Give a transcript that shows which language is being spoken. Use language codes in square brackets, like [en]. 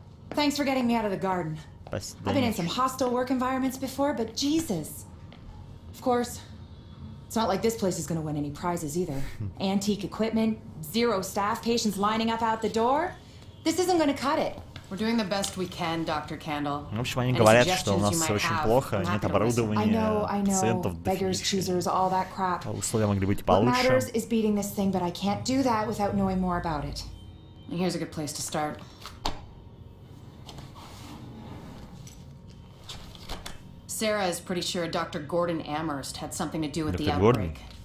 [en] Thanks for getting me out of the garden. I've been in some hostile work environments before, but Jesus. Of course, it's not like this place is going to win any prizes either. Antique equipment, zero staff, patients lining up out the door. This isn't going to cut it. We're doing the best we can, Dr. Candle. [ru] В общем, они говорят, что у нас все очень плохо, нет оборудования, пациентов, дофигища. Условия могли быть получше. [en] What matters is beating this thing, but I can't do that without knowing more about it. And here's a good place to start. Sarah is pretty sure Dr. Gordon Amherst had something to do with the outbreak.